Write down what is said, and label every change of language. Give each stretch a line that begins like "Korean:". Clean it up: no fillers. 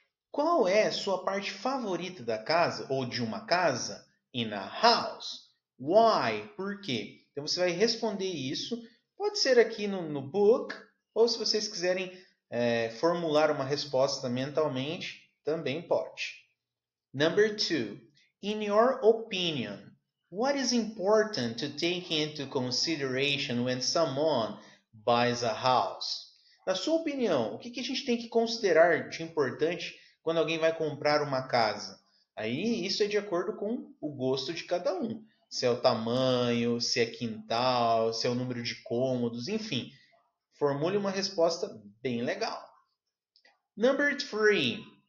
Portuguese: Qual é sua parte favorita da casa ou de uma casa?
English: In a house. Why?
Portuguese: Por quê? Então você vai responder isso, pode ser aqui no book, ou se vocês quiserem formular uma resposta mentalmente, também pode.
English: Number two, in your opinion, what is important to take into consideration when someone buys a house?
Portuguese: Na sua opinião, o que que a gente tem que considerar de importante quando alguém vai comprar uma casa? Aí isso é de acordo com o gosto de cada um. Se é o tamanho, se é quintal, se é o número de cômodos, enfim. Formule uma resposta bem legal.
English: Number three.